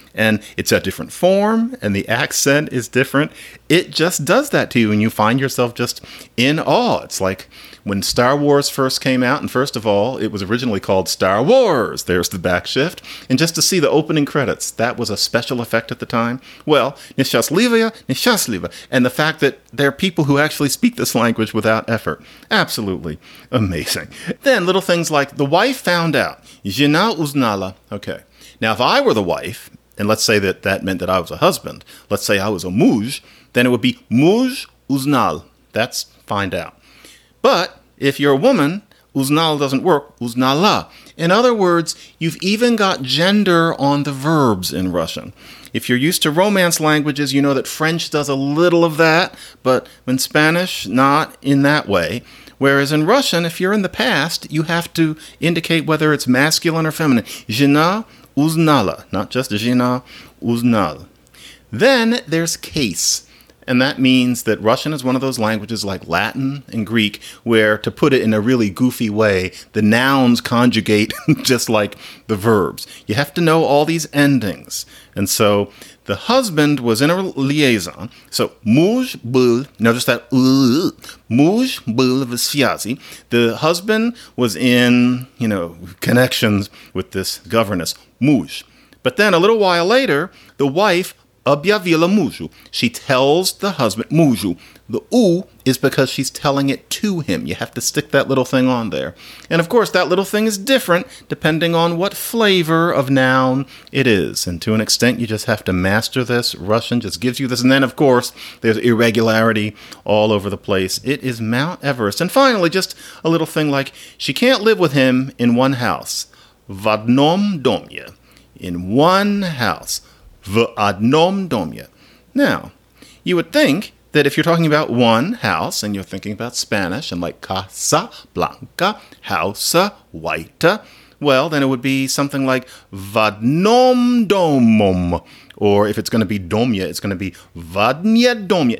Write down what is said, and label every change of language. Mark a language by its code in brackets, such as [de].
[en] And it's a different form, and the accent is different. It just does that to you, and you find yourself just in awe. It's like when Star Wars first came out, and first of all, it was originally called Star Wars. There's the back shift. And just to see the opening credits, that was a special effect at the time. Well, [ru] несчастливая, несчастлива. [en] And the fact that there are people who actually speak this language without effort. Absolutely amazing. Then little things like the wife found out. [ru] Жена узнала. [en] Okay. Now, if I were the wife, and let's say that that meant that I was a husband. Let's say I was a муж. Then it would be [ru] муж узнал. [en] That's find out. But if you're a woman, [ru] узнал [en] doesn't work. [ru] Узнала. [en] In other words, you've even got gender on the verbs in Russian. If you're used to Romance languages, you know that French does a little of that. But in Spanish, not in that way. Whereas in Russian, if you're in the past, you have to indicate whether it's masculine or feminine. [ru] Жена узнала, [en] not just [ru] жена узнала. [en] Then there's case, and that means that Russian is one of those languages like Latin and Greek where, to put it in a really goofy way, the nouns conjugate just like the verbs. You have to know all these endings. And so the husband was in a liaison. So [ru] муж был, [en] notice that [ru] муж был в связи. [en] The husband was in, you know, connections with this governess. [ru] Муж. [en] But then a little while later, the wife [ru] объявила мужу. [en] She tells the husband, [ru] мужу. [en] The у is because she's telling it to him. You have to stick that little thing on there. And of course, that little thing is different depending on what flavor of noun it is. And to an extent, you just have to master this. Russian just gives you this. And then, of course, there's irregularity all over the place. It is Mount Everest. And finally, just a little thing like, she can't live with him in one house. [ru] В одном доме, [en] in one house, [ru] в одном доме. [en] Now, you would think that if you're talking about one house, and you're thinking about Spanish, and like casa blanca, house white, well, then it would be something like [ru] в одном домом, [en] or if it's going to be доме, it's going to be [ru] в одном доме.